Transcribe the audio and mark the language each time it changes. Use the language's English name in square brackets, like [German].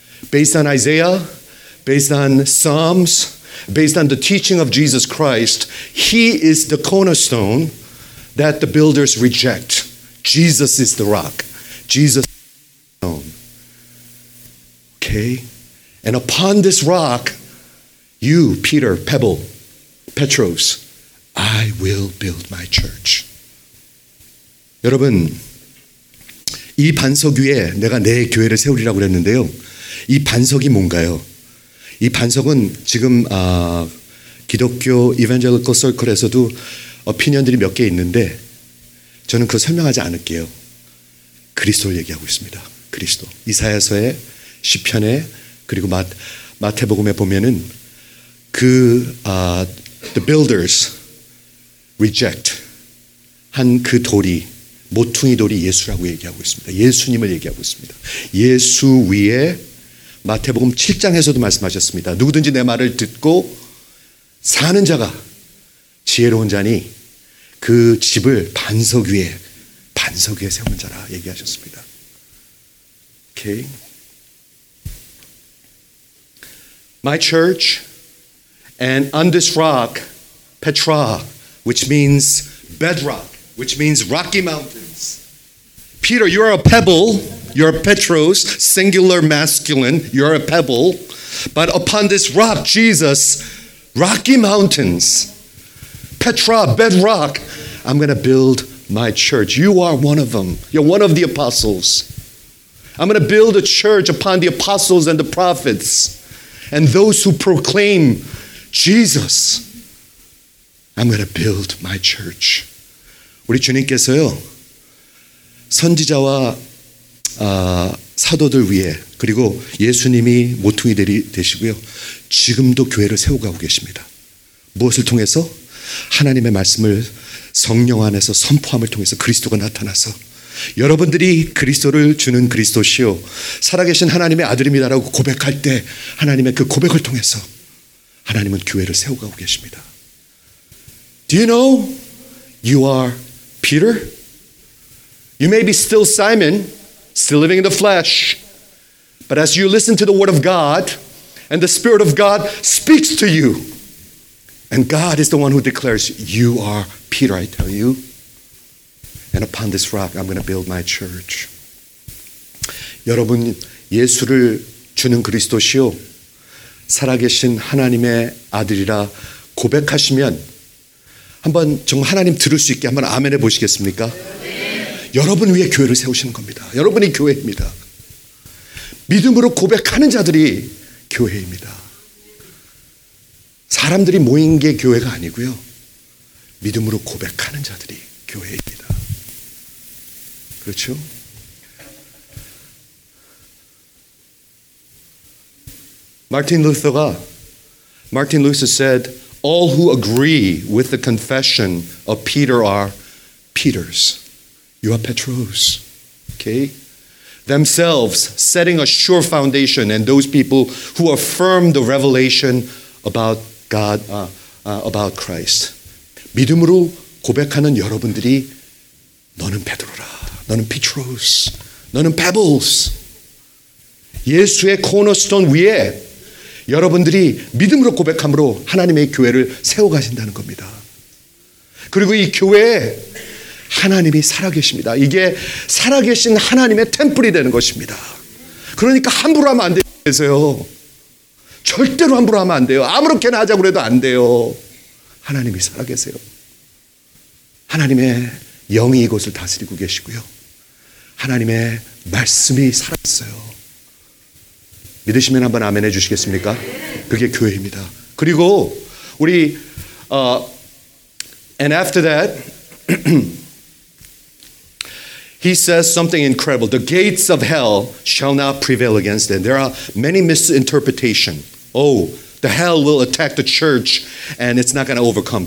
[English] Based on Isaiah, based on Psalms, based on the teaching of Jesus Christ, he is the cornerstone that the builders reject. Jesus is the rock. Jesus is the stone. Okay? And upon this rock, you, Peter, Pebble, Petros, I will build my church. [Korean] 여러분, 이 반석 위에 내가 내 교회를 세우리라고 그랬는데요. 이 반석이 뭔가요? 이 반석은 지금 기독교 이벤젤리컬 서클에서도 오피니언들이 몇 개 있는데 저는 그거 설명하지 않을게요. 그리스도를 얘기하고 있습니다. 그리스도. 이사야서에 시편에 그리고 마태복음에 보면은 그 [English] the builders reject [Korean] 한 그 돌이 모퉁이 돌이 예수라고 얘기하고 있습니다. 예수님을 얘기하고 있습니다. 예수 위에 마태복음 7장에서도 말씀하셨습니다. 누구든지 내 말을 듣고 사는 자가 지혜로운 자니 그 집을 반석 위에 세운 자라 얘기하셨습니다. 오케이. [English] My church and on this rock, Petra, which means bedrock, which means rocky mountains. Peter, you are a pebble. You're Petros, singular masculine. You're a pebble. But upon this rock, Jesus, Rocky Mountains, Petra, bedrock, I'm going to build my church. You are one of them. You're one of the apostles. I'm going to build a church upon the apostles and the prophets and those who proclaim Jesus. I'm going to build my church. [Korean] 우리 주님께서요 선지자와 사도들 위해 그리고 예수님이 모퉁이 되시고요 지금도 교회를 세우고 계십니다. 무엇을 통해서? 하나님의 말씀을 성령 안에서 선포함을 통해서 그리스도가 나타나서 여러분들이 그리스도를 주는 그리스도시요 살아계신 하나님의 아들입니다라고 고백할 때 하나님의 그 고백을 통해서 하나님은 교회를 세우고 계십니다. [English] Do you know you are Peter? You may be still Simon, still living in the flesh. But as you listen to the word of God and the Spirit of God speaks to you, and God is the one who declares, you are Peter, I tell you. And upon this rock, I'm going to build my church. [Korean] 여러분, 예수를 주는 그리스도시요 살아계신 하나님의 아들이라 고백하시면 한번 정말 하나님 들을 수 있게 한번 아멘 해보시겠습니까? 여러분 위해 교회를 세우시는 겁니다. 여러분이 교회입니다. 믿음으로 고백하는 자들이 교회입니다. 사람들이 모인 게 교회가 아니고요. 믿음으로 고백하는 자들이 교회입니다. 그렇죠? [English] 마틴 루터가 Martin Luther said, all who agree with the confession of Peter are Peter's. You are Petros. Okay? Themselves setting a sure foundation and those people who affirm the revelation about God, about Christ. [Korean] 믿음으로 고백하는 여러분들이 너는 베드로라. 너는 Petros. 너는 Pebbles. 예수의 코너스톤 위에 여러분들이 믿음으로 고백함으로 하나님의 교회를 세워가신다는 겁니다. 그리고 이 교회에 하나님이 살아계십니다. 이게 살아계신 하나님의 템플이 되는 것입니다. 그러니까 함부로 하면 안 되세요. 절대로 함부로 하면 안 돼요. 아무렇게나 하자고 해도 안 돼요. 하나님이 살아계세요. 하나님의 영이 이곳을 다스리고 계시고요. 하나님의 말씀이 살아있어요. 믿으시면 한번 아멘 해주시겠습니까? 그게 교회입니다. 그리고 우리 [English] and after that he says something incredible. The gates of hell shall not prevail against them. There are many misinterpretations. Oh, the hell will attack the church and it's not going to overcome.